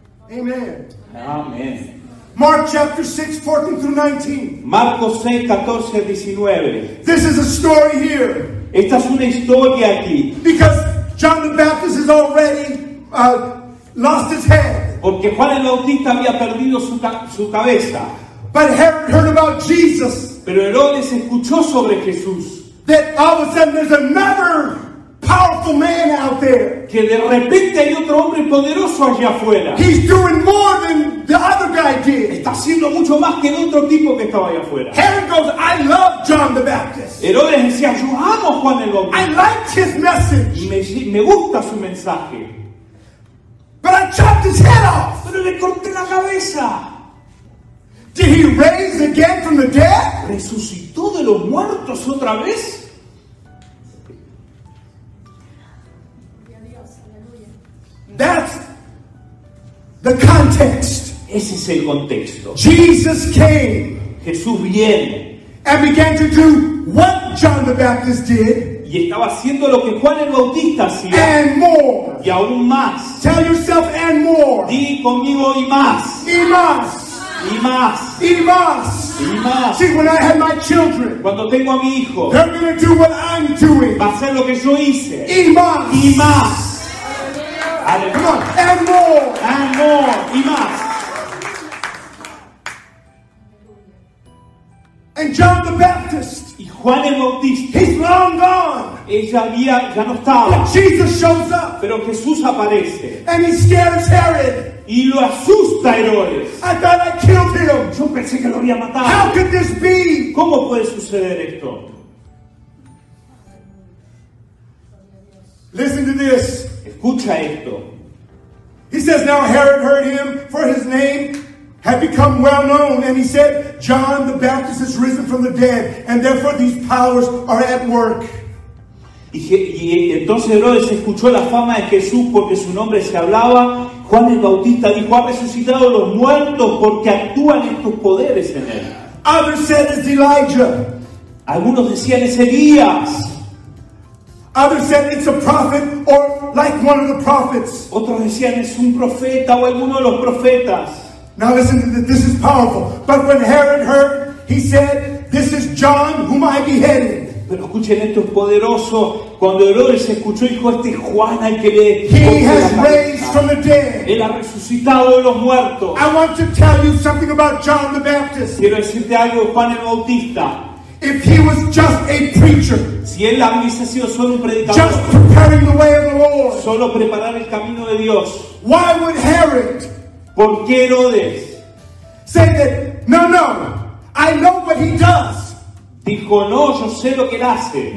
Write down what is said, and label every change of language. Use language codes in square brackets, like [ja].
[en] Amen. Amen. Mark chapter 6, 14 through 19. [es] Marcos 6, 14 a 19. [en] This is a story here. [es] Esta es una historia aquí. [en] Because John the Baptist has already lost his head. [es] Porque Juan el Bautista había perdido su cabeza. [en] But Herod heard about Jesus. [es] Pero Herodes escuchó sobre Jesús. [en] That all of a sudden there's another powerful man out there. [es] Que de repente hay otro hombre poderoso allá afuera. [en] He's doing more than the other guy did. [es] Está haciendo mucho más que el otro tipo que estaba allá afuera. [en] Herod goes, I love John the Baptist. [es] Herodes decía, yo amo Juan el Bautista. [en] I like his message. [es] Me gusta su mensaje. [en] But I chopped his head off. [es] Pero le corté la cabeza. [en] Did he raise again from the dead? [es] ¿Resucitó de los muertos otra vez? [en] That's the context. [es] Ese es el contexto. [en] Jesus came. [es] Jesús viene. [en] And began to do what John the Baptist did. [es] Y estaba haciendo lo que Juan el Bautista hacía. [en] And more. [es] Y aún más. [en] Tell yourself and more. [es] Di conmigo y más. Y más. Y más. Y más. Y más. [en] See, when I have my children, [es] cuando tengo a mi hijo, [en] they're going to do what I'm doing. [es] Va a hacer lo que yo hice. Y más. Y más. [en] Come on. And more. And more. [es] Y más. [en] And John the Baptist. [es] Y Juan el Bautista. [en] He's long gone. [es] Ya no estaba. [en] But Jesus shows up. [es] Pero Jesús aparece. [en] And he scares Herod. [es] Y lo asusta Herodes. [en] I thought I killed him. [es] Yo pensé que lo había matado. [en] How could this be? [es] ¿Cómo puede suceder esto? [en] Listen to this. [es] Escucha esto. [en] He says, now Herod heard him, for his name had become well known, and he said, John the Baptist is risen from the dead, and therefore these powers are at work. [es] Y entonces Herodes escuchó la fama de Jesús porque su nombre se hablaba. Juan el Bautista dijo, ha resucitado los muertos porque actúan estos poderes en él. [en] Others said it's Elijah. [es] Algunos decían es Elías. [en] Others said it's a prophet or like one of the prophets. [es] Otros decían es un profeta o alguno de los profetas. [en] Now listen to this, this is powerful. But when Herod heard, he said, this is John whom I beheaded. [es] Pero escuchen esto, es poderoso. Cuando Herodes escuchó, dijo, este es Juan al que le... [en] He has raised from the dead. [es] Él ha resucitado de los muertos. [en] I want to tell you something about John the Baptist. [es] Quiero decirte algo, Juan el Bautista. [en] If he was just a preacher, [es] si él hubiese sido solo un predicador, [en] just preparing the way of the Lord, [es] solo preparar el camino de Dios, [en] why would Herod... [es] ¿Por qué Herodes? [en] Said that, no, I know what he does. [es] Dijo, no, yo sé lo que él hace.